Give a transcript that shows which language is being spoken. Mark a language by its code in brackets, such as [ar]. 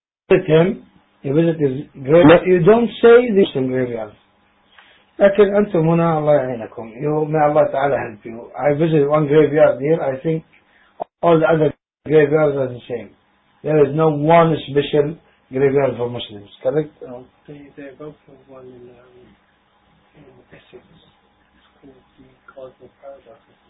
[en] You visit his graveyard. You don't say the Muslim graveyard. [ar] لكن أنتم هنا الله يعينكم. [en] You may Allah Ta'ala help you. I visited one graveyard here. I think all the other graveyards are the same. There is no one special graveyard for Muslims. Correct? They both have one in Essex. It's called the Cardinal Paradise.